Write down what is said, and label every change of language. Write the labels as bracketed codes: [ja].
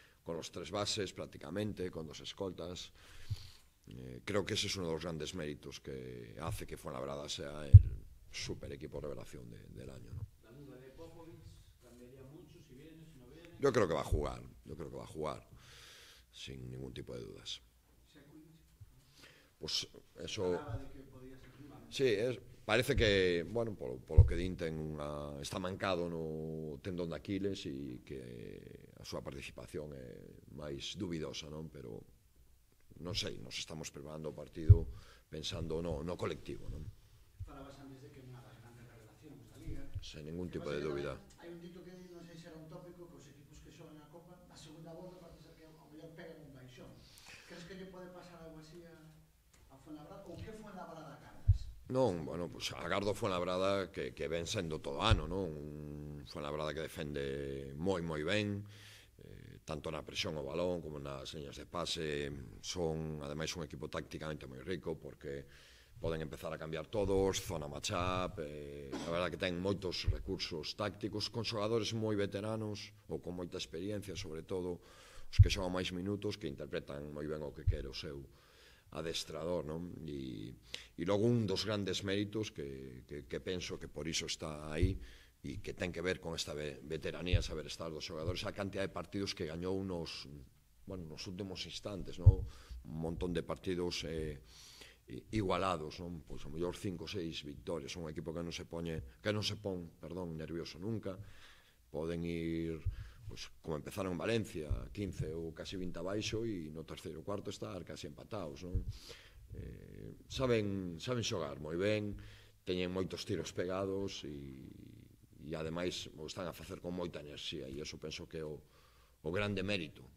[es] con los tres bases prácticamente, con dos escoltas. Creo que ese es uno de los grandes méritos que hace que Fuenlabrada sea el super equipo revelación del año, ¿no? ¿La duda de Popovic cambiaría mucho si viene, si no viene? Yo creo que va a jugar, yo creo que va a jugar, sin ningún tipo de dudas. Pues eso. [gl] Sí, es, parece que, bueno, por lo que din, está mancado no tendón de Aquiles y que a súa participación é máis dubidosa, non? Pero non sei, nos estamos preparando o partido pensando no colectivo, non? Falabas antes de que é unha das grandes revelacións da Liga. Sen ningún tipo de dúbida. Hai un dito que non sei se era un tópico, que os equipos que xogan a Copa, a segunda volta parece ser que ao mellor pegan un baixón. Crees que lle pode pasar algo así a Fuenlabrada? Ou que Fuenlabrada cargas? Non, bueno, pues agardo Fuenlabrada que ven sendo todo ano, non? Fuenlabrada que defende moi, moi ben, tanto na presión o balón como nas señas de pase, son, ademais, un equipo tácticamente moi rico, porque poden empezar a cambiar todos, zona matchup, a verdad que ten moitos recursos tácticos, con xogadores moi veteranos, ou con moita experiencia, sobre todo, os que xogan máis minutos, que interpretan moi ben o que quere o seu adestrador, non? E logo un dos grandes méritos que penso que por iso está aí e que ten que ver con esta veteranía, saber estar dos xogadores, a cantidad de partidos que gañou nos últimos instantes, non? Un montón de partidos igualados, non? Pois o mellor 5 ou 6 victorias, un equipo que non se pon nervioso nunca. Poden ir, pues, como empezaron en Valencia, 15 ou casi 20 abaixo e no terceiro cuarto estar casi empatados, non? Saben xogar moi ben, teñen moitos tiros pegados e ademais están a facer con moita enerxía e eso penso que é o grande mérito.